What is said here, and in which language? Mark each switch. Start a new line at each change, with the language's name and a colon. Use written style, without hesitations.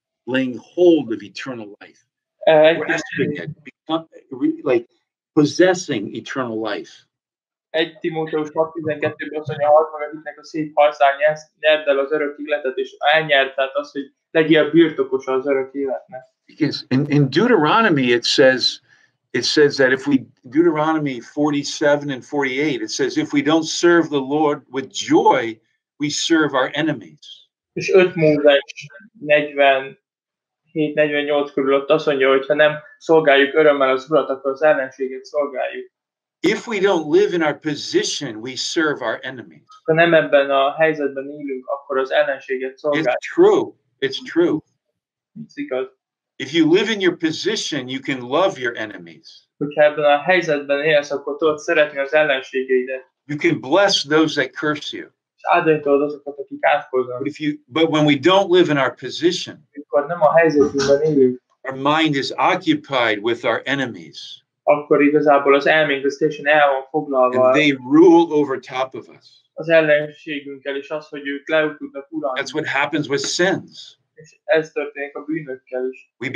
English: Laying hold of eternal life. Grasping it. Like, possessing eternal life.
Hungarian: 1 Timóteus 6:12-ben azt mondja, hogy hadd magadnak a szép harcán ezt, nyerd el az örök életet, és elnyert, tehát az, hogy legyél birtokosa az örök életnek.
English: Because in Deuteronomy it says that if we, Deuteronomy 47 and 48, it says, if we don't serve the Lord with joy, we serve our enemies.
Hungarian: És 5 Mózes 47-48 körül ott azt mondja, hogyha nem szolgáljuk örömmel az Urat, akkor az ellenséget szolgáljuk.
English: If we don't live in our position, we serve our enemies.
Hungarian: Ha nem ebben a helyzetben élünk, akkor az ellenséget szolgáljuk.
English: It's true. It's true. It's because if you live in your position, you can love your enemies.
Hungarian: Hogyha ebben a helyzetben élsz, akkor tudod szeretni az ellenségeidet.
English: You can bless those that curse you.
Hungarian: És áldani tudod azokat, akik átkoznak.
English: But when we don't live in our position,
Hungarian: mikor nem a helyzetünkben élünk,
English: our mind is occupied with our enemies.
Hungarian: Akkor igazából az elménk a station el van foglalva.
English: And they rule over top of us.
Hungarian: Az ellenségünkkel, és az, hogy ők leutudnak uralni.
English: That's what happens with sins.
Hungarian: és ez történik a bűnökkel is.